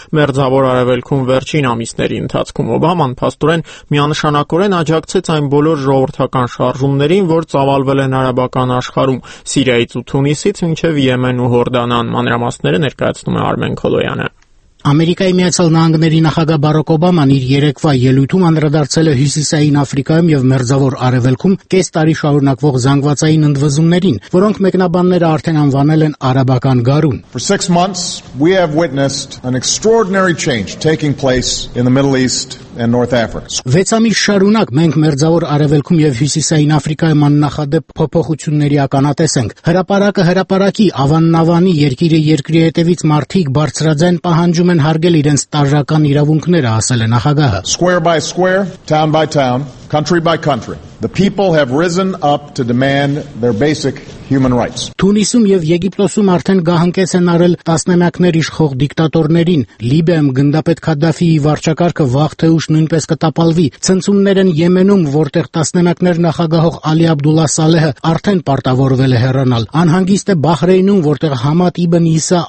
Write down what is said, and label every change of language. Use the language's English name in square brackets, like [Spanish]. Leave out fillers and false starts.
[Armenian] մերձավոր արևելքում վերջին ամիսների ընթացքում։ Օբաման փաստորեն միանշանակորեն աջակցեց այն բոլոր ժողովրդական շարժումներին, որ ծավալվել են արաբական աշխարհում՝ Սիրիայից ու Թունիսից մինչև Յեմեն ու Հորդանան։ Մանրամասները ներկայացնում է Արմեն Քոլոյանը։ Ամերիկայի Միացյալ Նահանգների նախագահ Բարակ Օբաման իր երեկվա ելույթում անդրադարձել է Հյուսիսային Աֆրիկայում և Մերձավոր Արևելքում կես տարի շարունակվող զանգվածային ընդվզումներին, որոնք մեկնաբանները արդեն անվանել են արաբական գարուն։ [English] For 6 months we have witnessed an extraordinary change taking place in the Middle East and North Africa. [Armenian] Վեցամի շարունակ մենք մերձավոր արևելքում եւ հյուսիսային Աֆրիկայի ման նախադեպ փոփոխությունների ականատես ենք։ Հրապարակը հրապարակի ավաննավանի երկիրը երկրի հետևից մարդիկ բարձրաձայն պահանջում են հարգել իրենց տարրական իրավունքները, ասել է նախագահը։ [English] Square by square, town by town, country by country, the people have risen up to demand their basic human rights. [Armenian] Թունիսում եւ Եգիպտոսում արդեն գահանկեց են արել տասնամյակներ իշխող դիկտատորներին։ Լիբիայում գնդապետ Քադաֆիի վարչակարգը վաղ թե ուշ նույնպես կտապալվի։ Ցնցումներ են Եմենում, որտեղ տասնամյակներ նախագահող Ալի Աբդուլլա Սալեհը արդեն պարտավորվել է հեռանալ։ Անհանգիստ է Բահրեյնում, որտեղ Համադ իբն Իսա